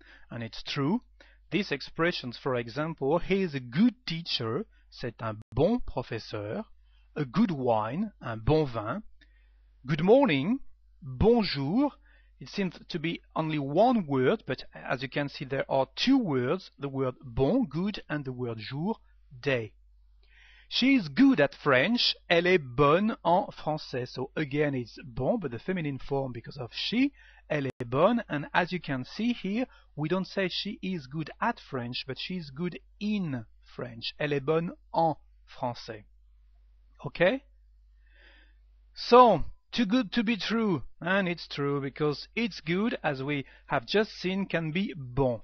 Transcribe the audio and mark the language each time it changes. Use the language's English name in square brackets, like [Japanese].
[English] And it's true. These expressions, for example, he is a good teacher, [French] c'est un bon professeur, [English] a good wine, [French] un bon vin, [English] good morning, [French] bonjour. [English] It seems to be only one word, but as you can see, there are two words, the word bon, good, and the word jour, day. She is good at French, [French] elle est bonne en français. [English] So again, it's bon, but the feminine form because of she, [French] elle est bonne. [English] And as you can see here, we don't say she is good at French, but she is good in French. [French] Elle est bonne en français. Okay? [English] So, too good to be true. And it's true because it's good, as we have just seen, can be bon.